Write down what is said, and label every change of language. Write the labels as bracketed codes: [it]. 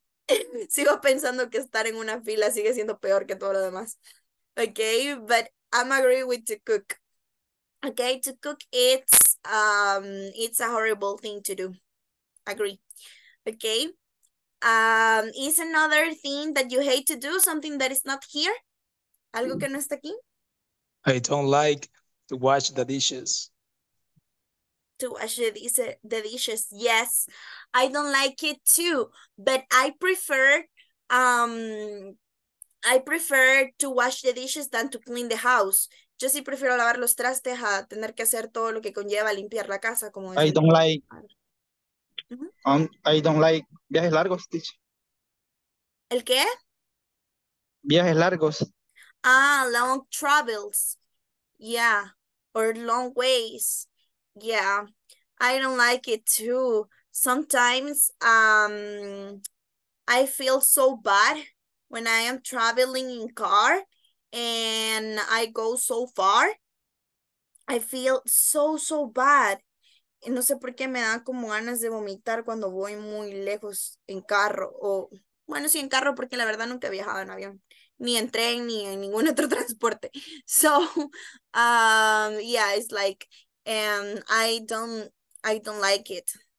[es] Sigo pensando que estar en una fila sigue siendo peor que todo lo demás. [en] Okay, but I'm agree with to cook. Okay, to cook it's a horrible thing to do. Agree. Okay. Is another thing that you hate to do, something that is not here? [es] Algo que no está aquí? [en] I don't like to wash the dishes. To wash the dishes, yes. I don't like it too. But I prefer to wash the dishes than to clean the house. [es] Yo sí prefiero lavar los trastes a tener que hacer todo lo que conlleva limpiar la casa. Como [en] I don't like... I don't like viajes largos, teacher. [es] ¿El qué? Viajes largos. [en] Ah, long travels. Yeah. Or long ways. Yeah. I don't like it too. Sometimes I feel so bad when I am traveling in car and I go so far. I feel so, so bad. [es] No sé por qué me dan como ganas de vomitar cuando voy muy lejos en carro. O, bueno, sí en carro, porque la verdad nunca he viajado en avión. Ni en tren, ni en ningún otro transporte. [en] So, yeah, it's like, I don't like it.